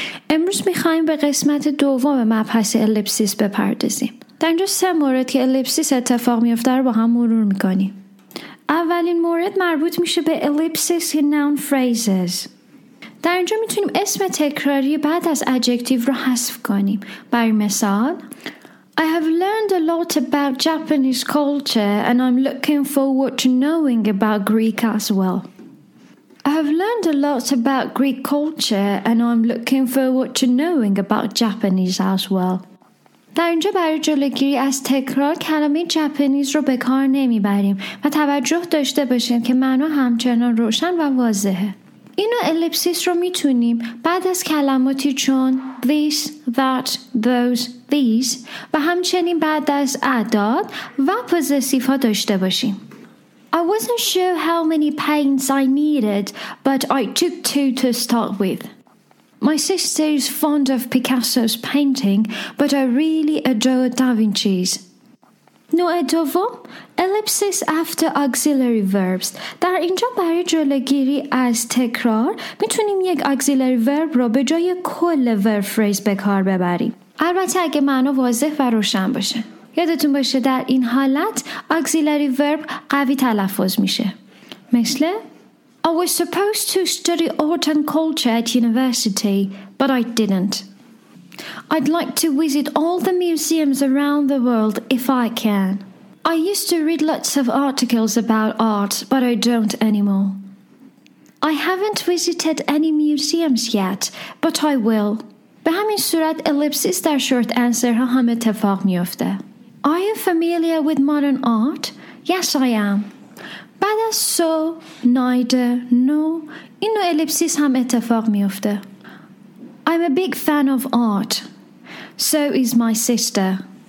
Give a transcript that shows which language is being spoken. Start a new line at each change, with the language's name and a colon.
Persian: امروز میخواییم به قسمت دوم مبحث الیپسیس بپردازیم. در اینجا سه مورد که الیپسیس اتفاق میفته رو با هم مرور میکنیم. اولین مورد مربوط میشه به الیپسیس
English: in noun phrases.
Persian: در اینجا میتونیم اسم تکراری بعد از ادجکتیو رو حذف کنیم. برای مثال،
English: I have learned a lot about Japanese culture and I'm looking forward to knowing about Greek as well. I have learned a lot about Greek culture and I'm looking forward to knowing about Japanese as well.
Persian: در اینجا برای جلوگیری از تکرار کلمه ژاپنیز رو به کار نمیبریم و توجه داشته باشیم که معنا همچنان روشن و واضحه. اینو الیپسیس رو میتونیم بعد از کلماتی چون this, that, those, these و همچنین بعد از اعداد و پوزسیف ها داشته باشیم.
English: I wasn't sure how many paints I needed, but I took two to start with. My sister is fond of Picasso's painting, but I really adore Da Vinci's.
Persian: نوع دوم، الیپسیس
English: after auxiliary verbs.
Persian: در اینجا برای جلوگیری از تکرار میتونیم یک auxiliary verb رو به جای کل verb phrase به کار ببریم، البته اگه معنا واضح و روشن باشه. یادتون باشه در این حالت auxiliary verb قوی تلفظ میشه. مثل
English: I was supposed to study art and culture at university, but I didn't. I'd like to visit all the museums around the world if I can. I used to read lots of articles about art, but I don't anymore. I haven't visited any museums yet, but I will.
Persian: به همین صورت ellipsis در short answer ها هم اتفاق می افته.
English: Are you familiar with modern art? Yes, I am.
Persian: بعد از so, neither, no, این نوع ellipsis هم اتفاق می افته.
English: I'm a big fan of art. So is my sister.